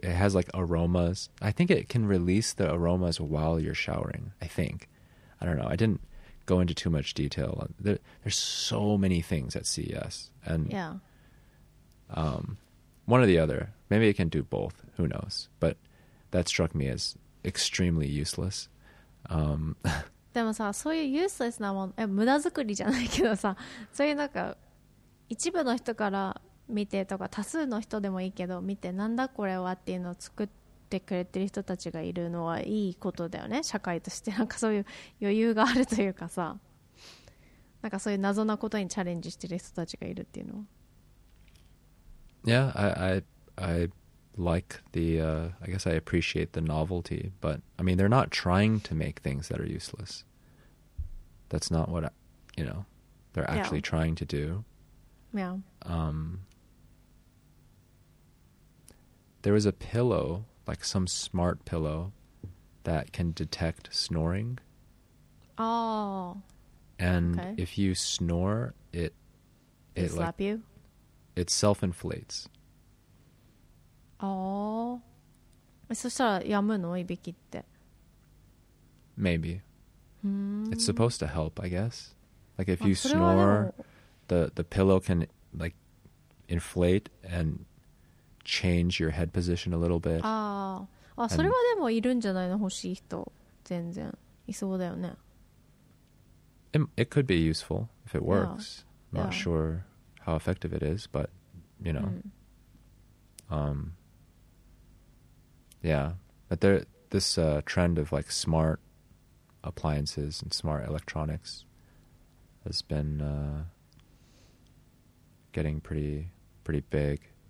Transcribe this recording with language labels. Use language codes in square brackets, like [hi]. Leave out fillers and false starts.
[en] It has like aromas. I think it can release the aromas while you're showering, I think. I don't know. I didn't go into too much detail. There's so many things at CES. And one or the other. Maybe it can do both. Who knows? But that struck me as extremely useless. [ja] でもさ、そういう useless なもの、無駄作りじゃないけどさ、そういうなんか一部の人から見てとか多数の人でもいいけど見て、なんだこれはっていうのを作ってくれてる人たちがいるのはいいことだよね。社会としてなんかそういう余裕があるというかさ、なんかそういう謎なことにチャレンジしてる人たちがいるっていうのは。 [en] Yeah, I like the I guess I appreciate the novelty, but I mean they're not trying to make things that are useless. That's not what I, you know, they're actually yeah. trying to do. Yeah. There was a pillow, like some smart pillow that can detect snoring. Oh. And okay. if you snore, it slap like, you? It self inflates. Oh. [ja] そしたらやむの？いびきって。 [en] Maybe. Hmm. It's supposed to help, I guess. Like if you snore, the pillow can like inflate and change your head position a little bit. [ja] ああ、それはでもいるんじゃないの？欲しい人全然いそうだよね。 [en] It could be useful if it works. Yeah. Not yeah. sure how effective it is, but you know. Mm. Yeah, but there this trend of like smart appliances and smart electronics has been getting pretty big.